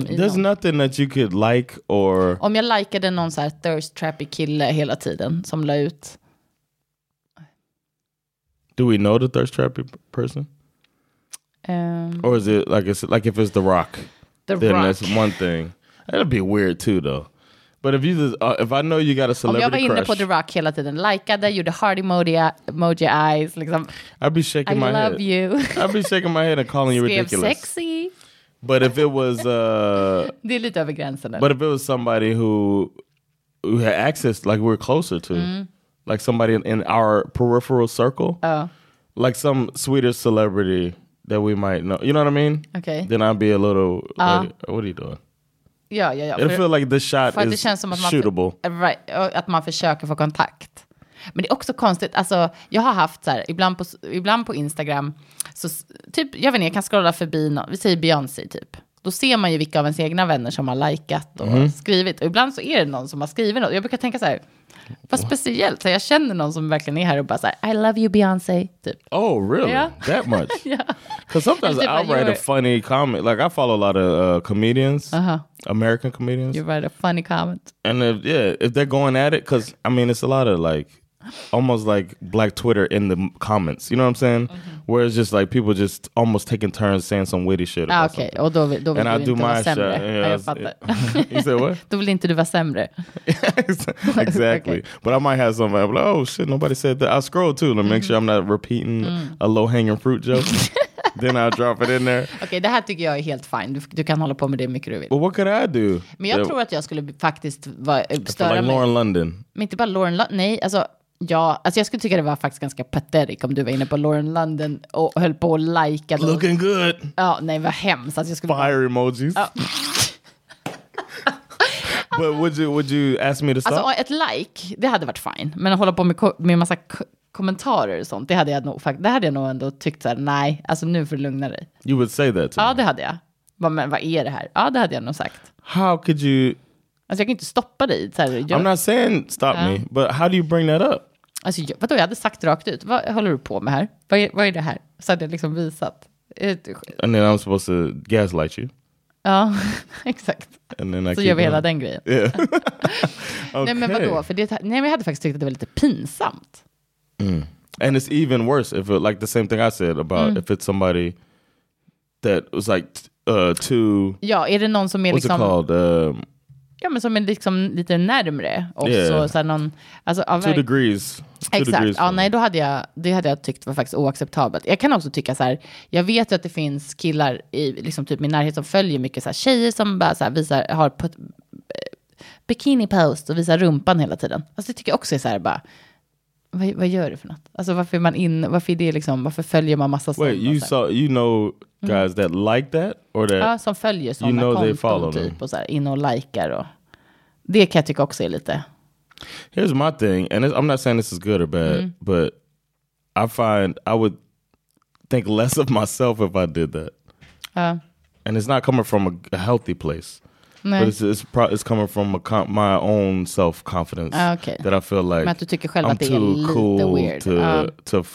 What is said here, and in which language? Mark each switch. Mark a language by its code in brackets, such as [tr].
[en] There's nothing that you could like or... [sv] Om jag likade någon så här [en] thirst trappy [sv] kille hela tiden som la ut... [en] Do we know the thirst trappy person? Or is it like, if it's The Rock? The Rock. That's one thing. That'd be weird too though. But if you if I know you got a celebrity crush. [sv] Om jag var inne på The Rock hela tiden. Likade, gjorde [en] heart emoji eyes. [sv] Liksom. [en] I'd be shaking my head. I love you. I'd be shaking my head and calling you ridiculous. Sexy. But if it was... [sv] det är lite över gränsen. [en] But if it was somebody who had access, like we're closer to. Mm. Like somebody in our peripheral circle. Oh. Like some Swedish celebrity that we might know. You know what I mean? Okay. Then I'd be a little... what are you doing? [sv] Ja. [en] It feel like the shot is shootable. Right, [sv] att man försöker få kontakt. Men det är också konstigt. Alltså, jag har haft så här, ibland på Instagram, så typ, jag vet inte, jag kan scrolla förbi, vi säger Beyoncé typ. Då ser man ju vilka av ens egna vänner som har likat och skrivit. Och ibland så är det någon som har skrivit något. Jag brukar tänka så här, vad speciellt. Så jag känner någon som verkligen är här och bara så här, [en] I love you Beyoncé, [sv] typ. [en] Oh, really? Yeah. That much? Yeah. Because sometimes I write a funny comment. Like, I follow a lot of comedians. Uh-huh. American comedians. You write a funny comment. And if they're going at it, because, I mean, it's a lot of, like, almost like Black Twitter in the comments. You know what I'm saying? Mm-hmm. Where it's just like people just almost taking turns saying some witty shit. Ah, okay. [sv] Och då vill [en] and [sv] du [en] I [sv] inte [en] do my shit. You say what? [sv] Då vill inte du vara sämre. [en] Exactly. Okay. But I might have somebody. I'm like, oh shit, nobody said that. I scroll too to make sure I'm not repeating a low hanging fruit joke. Then I'll drop it in there. [sv] Okay, det här tycker jag är helt fine. Du kan hålla på med det mycket du vill. [en] But what could I do? [sv] Men jag tror att jag skulle faktiskt störa [en] like Lauren London. [sv] Men inte bara Lauren London. Nej, alltså. Ja, alltså jag skulle tycka det var faktiskt ganska patetic om du var inne på Lauren London och höll på att likea. [en] Looking good. [sv] Ja, nej, vad hemskt. Alltså jag skulle... [en] Fire emojis. [sv] Ja. [en] But would you ask me to stop? [sv] Alltså ett like, det hade varit fine. Men att hålla på med massa kommentarer och sånt, det hade jag nog ändå tyckt så här, nej, alltså nu får du lugna dig. [en] You would say that to me. [sv] Ja, det hade jag. Men vad är det här? Ja, det hade jag nog sagt. [en] How could you... [sv] Alltså jag kan inte stoppa dig. Så här, [en] I'm not saying stop me, but how do you bring that up? [sv] Alltså, vadå, jag hade sagt rakt ut. Vad håller du på med här? Vad är det här? Så hade jag liksom visat. [en] And then I'm supposed to gaslight you. [sv] Ja, exakt. [en] And then I [sv] så gör vi hela den grejen. [en] Yeah. [sv] Okay. Nej, men vadå? För det, nej, men jag hade faktiskt tyckt att det var lite pinsamt. Mm. [en] And it's even worse if it, like the same thing I said about if it's somebody that was like too... [sv] Ja, är det någon som är liksom... [en] What's it called? [sv] Ja, men som är liksom lite närmare också. [en] Yeah. [sv] Så här någon, alltså, [en] two verk- degrees. Two [sv] exakt. [en] Degrees [sv] ja, nej, då hade jag, det hade jag tyckt var faktiskt oacceptabelt. Jag kan också tycka så här, jag vet ju att det finns killar i liksom typ min närhet som följer mycket så här tjejer som bara så här visar, har på ett bikini post och visar rumpan hela tiden. Alltså det tycker jag också är så här bara, vad gör du för något? Alltså varför är man in, varför är det liksom, varför följer man massa sånt? [en] Wait, you saw, you know guys that like that or that [sv] ja, som följer såna, [en] you know, [sv] konton, [en] they follow [sv] typ them. Och så här, in och likar och det kan jag tycka också är lite. [en] Here's my thing, and I'm not saying this is good or bad, but I find I would think less of myself if I did that. And it's not coming from a healthy place. [sv] Nej. [en] But it's coming from my own self-confidence. Okay. That I feel like [sv] att du tycker själv [en] I'm [sv] att det är [en] too cool [sv] lite weird.